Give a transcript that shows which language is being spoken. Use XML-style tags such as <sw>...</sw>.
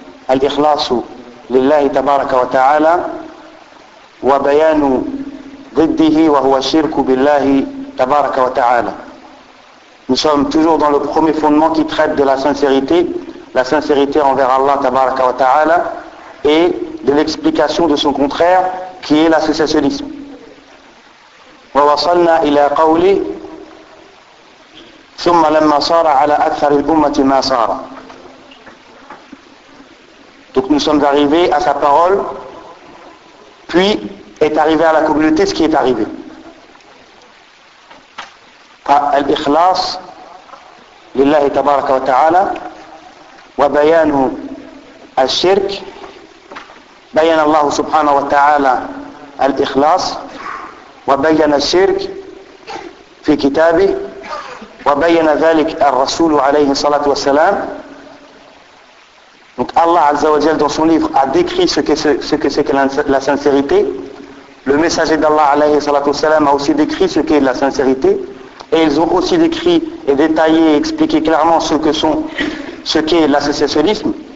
<ar>الإخلاص لله تبارك وتعالى، وبيان ضده وهو الشرك بالله تبارك وتعالى.</ar> <fr>Nous sommes toujours dans le premier fondement qui traite de la sincérité envers Allah tabaraka wa ta'ala, et de l'explication de son contraire qui est l'associationnisme.</fr> <ar>ووصلنا إلى قوله ثم لما صار على أكثر الأمة ما صار.</ar> <fr>Donc nous sommes arrivés à sa parole, puis est arrivé à la communauté ce qui est arrivé.</fr> <ar>فالإخلاص لله تبارك وتعالى وبيان الشرك. بيان الله سبحانه وتعالى الإخلاص وبيّن الشرك في كتابه، وبيّن ذلك الرسول عليه الصلاة والسلام.</ar> <fr>Donc Allah Azza wa Jal dans son livre a décrit ce que c'est que la sincérité. Le messager d'Allah alayhi salatu wassalam a aussi décrit ce qu'est la sincérité. Et ils ont aussi décrit et détaillé et expliqué clairement ce qu'est l'associationnisme.</fr>